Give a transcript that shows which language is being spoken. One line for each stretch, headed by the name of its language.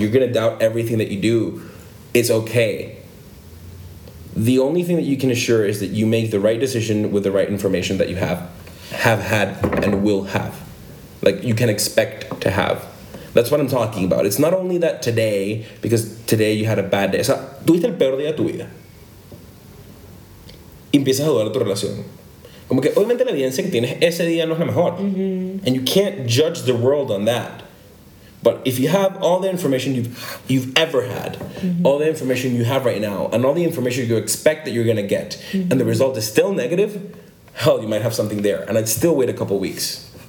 English: You're going to doubt everything that you do. It's okay. The only thing that you can assure is that you make the right decision with the right information that you have had and will have. Like, you can expect to have. That's what I'm talking about. It's not only that today, because today you had a bad day.
Spanish: O sea, tuviste el peor día de tu vida. Y empiezas a dudar de tu relación. Como que obviamente la evidencia que tienes ese día no es la mejor. Mm-hmm.
English: And you can't judge the world on that. But if you have all the information you've ever had, mm-hmm. all the information you have right now, and all the information you expect that you're going to get, mm-hmm. and the result is still negative, hell, you might have something there. And I'd still wait a couple weeks.